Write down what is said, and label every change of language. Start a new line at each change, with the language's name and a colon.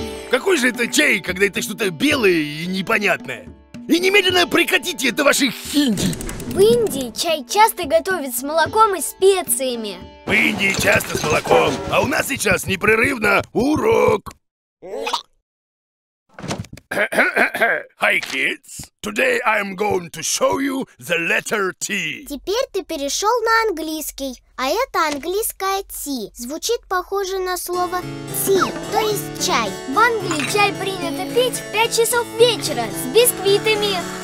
Russian: Какой же это чай, когда это что-то белое и непонятное? И немедленно прекратите это ваше хинди! В Индии чай часто готовят с молоком и специями. В Индии часто с молоком, а у нас сейчас непрерывно урок.
English: Hi kids, today I'm going to show you the letter T.
Russian: Теперь ты перешел на английский, а это английское T. Звучит похоже на слово tea, то есть чай. В Англии чай принято пить в 5 часов вечера с бисквитами.